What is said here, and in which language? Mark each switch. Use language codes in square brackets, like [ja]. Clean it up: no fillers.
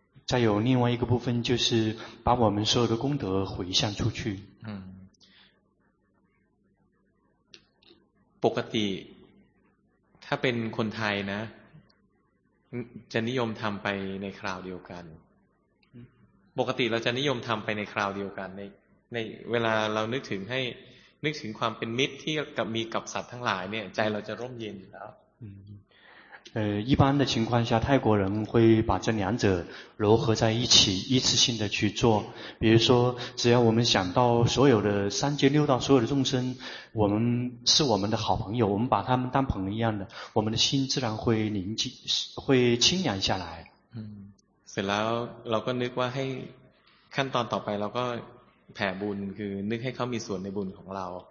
[zh] 再有另外一个部分就是把我们所有的功德回向出去 [th] ปกติถ้าเป็นคนไทยนะจะนิยมทำไปในคราวเดียวกันปกติเราจะนิยมทำไปในคราวเดียวกันในเวลาเรานึกถึงให้นึกถึงความเป็นมิตรที่กับมีกับสัตว์ทั้งหลายเนี่ยใจเราจะร่มเย็นอยู่แล้ว [zh] 一般的情况下泰国人会把这两者糅合在一起一次性的去做比如说只要我们想到所有的三界六道所有的众生我们是我们的好朋友我们把他们当朋友一样的我们的心自然会宁静会清凉下来 [th] เสร็จแล้วเราก็นึกว่าให้ขั้นตอนต่อไปเราก็แผ่บุญคือนึกให้เขามีส่วนในบุญของเรา